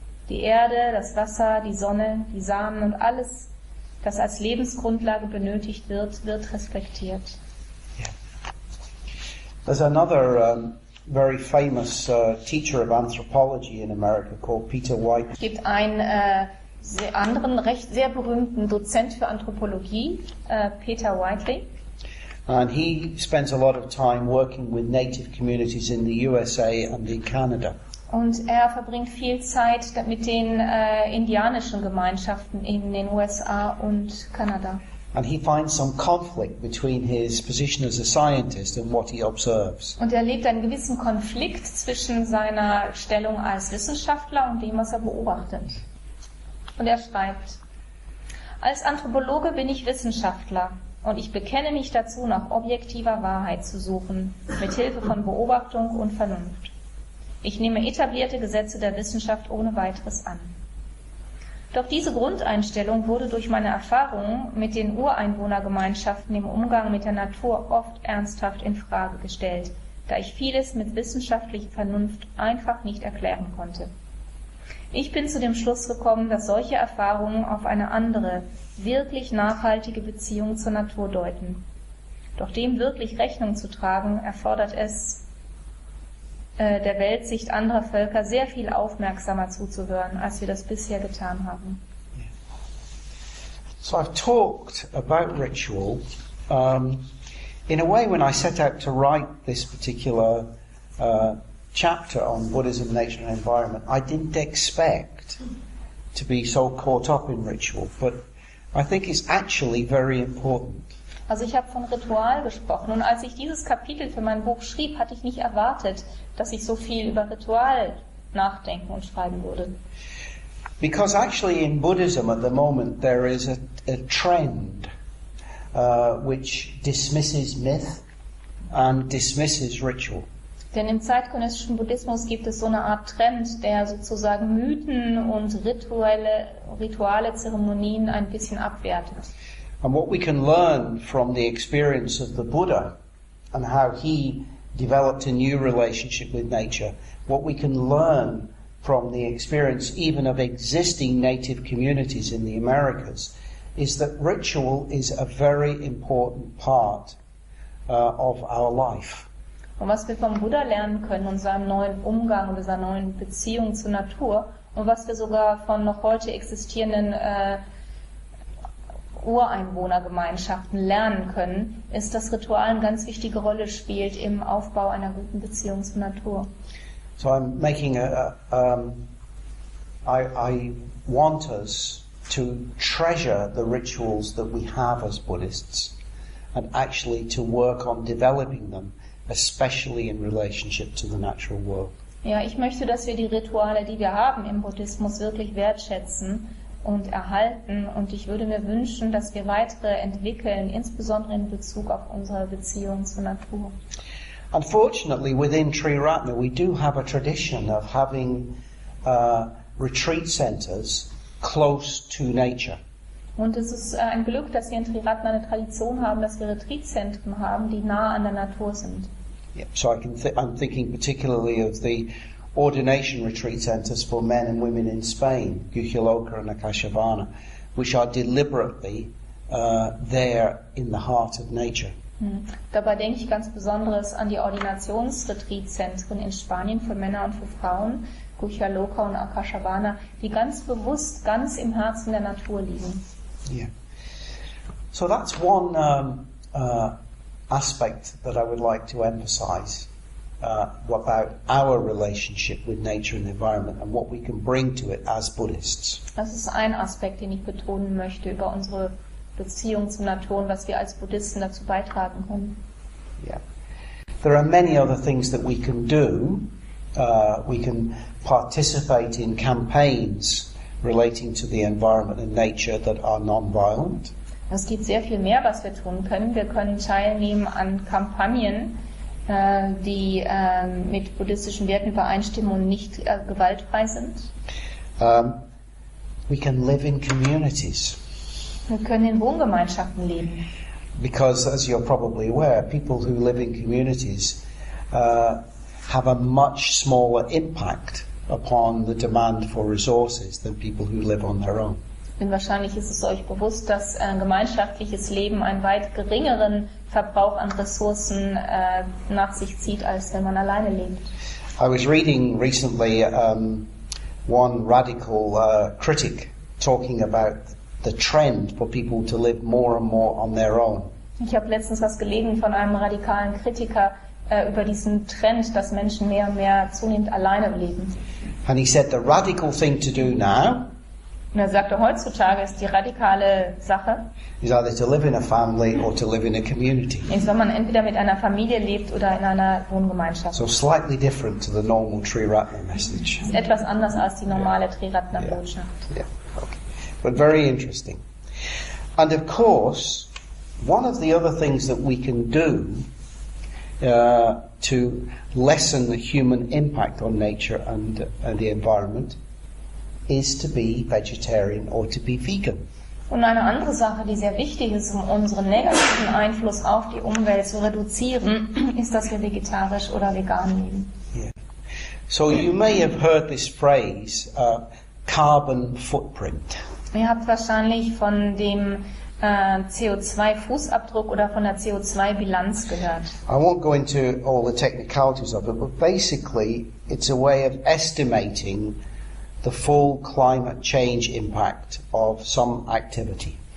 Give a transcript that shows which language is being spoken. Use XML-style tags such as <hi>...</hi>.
<de>Die Erde, das Wasser, die Sonne, die Samen und alles, das als Lebensgrundlage benötigt wird, wird respektiert.</de> <en>There's another very famous teacher of anthropology in America called Peter White.</en> <de>Es gibt einen anderen recht sehr berühmten Dozent für Anthropologie, Peter Whiteley.</de> <en>And he spends a lot of time working with native communities in the USA and in Canada.</en> <de>Und er verbringt viel Zeit mit den indianischen Gemeinschaften in den USA und Kanada.</de> <en>And he finds some conflict between his position as a scientist and what he observes.</en> <de>Und er erlebt einen gewissen Konflikt zwischen seiner Stellung als Wissenschaftler und dem, was er beobachtet. Und er schreibt: Als Anthropologe bin ich Wissenschaftler und ich bekenne mich dazu, nach objektiver Wahrheit zu suchen, mit Hilfe von Beobachtung und Vernunft. Ich nehme etablierte Gesetze der Wissenschaft ohne weiteres an. Doch diese Grundeinstellung wurde durch meine Erfahrungen mit den Ureinwohnergemeinschaften im Umgang mit der Natur oft ernsthaft in Frage gestellt, da ich vieles mit wissenschaftlicher Vernunft einfach nicht erklären konnte. Ich bin zu dem Schluss gekommen, dass solche Erfahrungen auf eine andere, wirklich nachhaltige Beziehung zur Natur deuten. Doch dem wirklich Rechnung zu tragen, erfordert es, der Weltsicht anderer Völker sehr viel aufmerksamer zuzuhören, als wir das bisher getan haben.</de> <en>So I've talked about ritual. In a way, when I set out to write this particular chapter on Buddhism, nature and environment, I didn't expect to be so caught up in ritual, but I think it's actually very important.</en> <de>Also ich habe von Ritual gesprochen und als ich dieses Kapitel für mein Buch schrieb, hatte ich nicht erwartet, dass ich so viel über Ritual nachdenken und schreiben würde.</de> <en>Because actually in Buddhism at the moment there is a trend which dismisses myth and dismisses ritual.</en> <de>Denn im zeitgenössischen Buddhismus gibt es so eine Art Trend, der sozusagen Mythen und rituale Zeremonien ein bisschen abwertet.</de> <en>And what we can learn from the experience of the Buddha and how he developed a new relationship with nature, what we can learn from the experience even of existing native communities in the Americas, is that ritual is a very important part of our life.</en> <de>Und was wir vom Buddha lernen können und seinem neuen Umgang und seiner neuen Beziehung zur Natur und was wir sogar von noch heute existierenden Ureinwohnergemeinschaften lernen können, ist, dass Ritual eine ganz wichtige Rolle spielt im Aufbau einer guten Beziehung zur Natur.</de> <en>So I'm making I want us to treasure the rituals that we have as Buddhists and actually to work on developing them, especially in relationship to the natural world.</en> <de>Ja, ich möchte, dass wir die Rituale, die wir haben im Buddhismus, wirklich wertschätzen und erhalten, und ich würde mir wünschen, dass wir weitere entwickeln, insbesondere in Bezug auf unsere Beziehung zur Natur.</de> <en>Unfortunately, within Tri Ratna, we do have a tradition of having retreat centers close to nature.</en> <de>Und es ist ein Glück, dass wir in Tri Ratna eine Tradition haben, dass wir Retreatzentren haben, die nah an der Natur sind.</de> <en>Yep. So I'm thinking particularly of the ordination retreat centers for men and women in Spain, Guijuelo and Acachavana, which are deliberately there in the heart of nature.</en> <de>Dabei denke ich ganz besonders an die Ordinationsretreatzentren in Spanien für Männer und für Frauen, Guijuelo und Acachavana, die ganz bewusst ganz im Herzen der Natur liegen.</de> <en>Yeah. So that's one aspect that I would like to emphasize. About our relationship with nature and the environment and what we can bring to it as Buddhists.</en> <de>Das ist ein Aspekt, den ich betonen möchte über unsere Beziehung zur Natur und was wir als Buddhisten dazu beitragen können.</de> <en>Yeah. There are many other things that we can do. We can participate in campaigns relating to the environment and nature that are non-violent.</en> <de>Es gibt sehr viel mehr, was wir tun können. Wir können teilnehmen an Kampagnen, die mit buddhistischen Werten übereinstimmen und nicht gewaltfrei sind.</de> <en>We can live in communities.</en> <de>Wir können in Wohngemeinschaften leben.</de> <en>Because, as you're probably aware, people who live in communities have a much smaller impact upon the demand for resources than people who live on their own.</en> <de>Denn wahrscheinlich ist es euch bewusst, dass gemeinschaftliches Leben einen weit geringeren Verbrauch an Ressourcen nach sich zieht, als wenn man alleine lebt.</de> <en>I was reading recently one radical critic talking about the trend for people to live more and more on their own.</en> <de>Ich habe letztens was gelesen von einem radikalen Kritiker über diesen Trend, dass Menschen mehr und mehr zunehmend alleine leben.</de> <en>And he said the radical thing to do now.</en> <de>Und er sagte, heutzutage ist die radikale Sache,</de> <en>is either to live in a family or to live in a community.</en> <de>Ist, wenn man entweder mit einer Familie lebt oder in einer Wohngemeinschaft.</de> <en>So slightly different to the normal Tri Ratna message.</en> <de>Ist etwas anders als die normale Tri Ratna Botschaft.</de> <en>Yeah. Okay. But very interesting. And of course, one of the other things that we can do to lessen the human impact on nature and the environment is to be vegetarian or to be vegan.</en> <de>Und eine andere Sache, die sehr wichtig ist, um unseren negativen Einfluss auf die Umwelt zu reduzieren, ist, dass wir vegetarisch oder vegan leben.</de> <en>Yeah. So you may have heard this phrase, carbon footprint.</en> <de>Ihr habt wahrscheinlich von dem CO2-Fußabdruck oder von der CO2-Bilanz gehört.</de> <en>I won't go into all the technicalities of it, but basically it's a way of estimating the full climate change impact of some activity.</en>